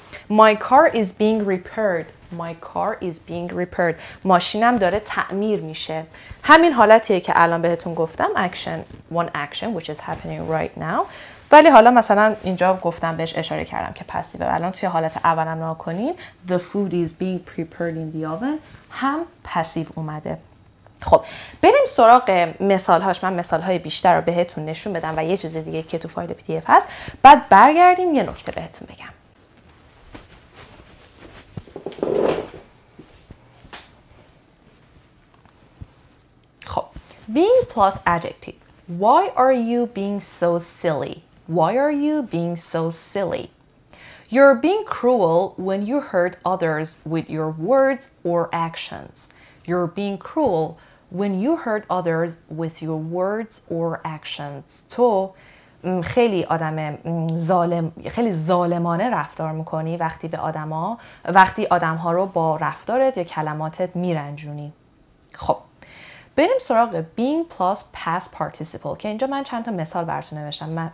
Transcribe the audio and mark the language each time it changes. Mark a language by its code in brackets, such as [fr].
[en] My car is being repaired. My car is being repaired. [fa] ماشینم داره تعمیر میشه. همین حالتیه که الان بهتون گفتم. [en] Action. One action which is happening right now. [fa] ولی حالا مثلا اینجا گفتم بهش اشاره کردم که پسیو. الان توی حالت اولم نگاه کنین. [en] The food is being prepared in the oven. [fa] هم پسیو اومده. خب بریم سراغ مثالهاش. من مثالهای بیشتر رو بهتون نشون بدم و یه چیز دیگه که تو فایل پی دی اف هست. بعد برگردیم یه نکته بهتون بگم. [en] خب being plus adjective. Why are you being so silly? Why are you being so silly? You're being cruel when you hurt others with your words or actions. You're being cruel when you hurt others with your words or actions. [fa] تو خیلی آدم ظالمانه رفتار میکنی وقتی به آدما، وقتی آدمها رو با رفتارت یا کلماتت میرنجونی. خب بریم سراغ being plus past participle که اینجا من چند تا مثال براتون نوشتم.